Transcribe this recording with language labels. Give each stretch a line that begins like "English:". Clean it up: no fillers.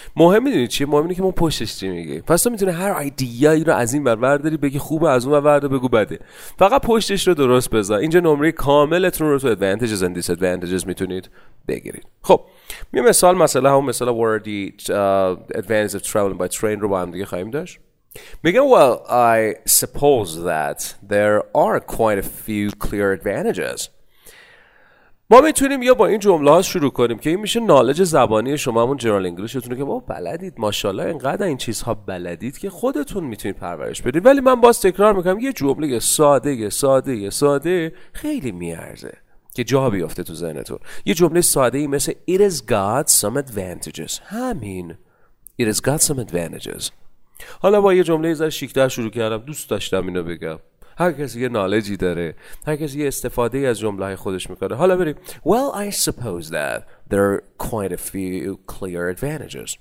Persian: مهم میدونی چیه؟ مهم اینه که ما پشتش چی میگی. پس تو میتونی هر ایدیایی رو از این ور برداری بگی خوبه، از اون ور بردار بگو بده، فقط پشتش رو درست بذار. اینجا نمره کاملتون رو تو ادوانتجز اند دیس ادوانتجز میتونید بگیرید. خب یه مثال، مثلا همون مثال وردی ادوانتج اف تراولینگ بای ترین رو با هم دیگه خواهیم داشت.
English: Megan, well, I suppose that there are quite a few clear advantages.
Persian: ما میتونیم یا با این جمله ها شروع کنیم که این میشه نالج زبانی شما، همون جنرال انگلیشتون که ما بلدید، ماشاءالله اینقدر این چیزها بلدید که خودتون میتونید پرورش بدید. ولی من باز تکرار میکنم، یه جمله ساده ساده ساده خیلی میارزه که جا بیفته تو ذهنتون. یه جمله ساده ای مثل
English: It has got some advantages.
Persian: همین،
English: It has got some advantages.
Persian: حالا با یه جمله زر شیک‌تر شروع کردم، دوست داشتم اینو بگم. هر کسی یه نالجی داره، هر کسی یه استفاده از جمله خودش میکنه. حالا بریم.
English: Well, I suppose that there are quite a few clear advantages.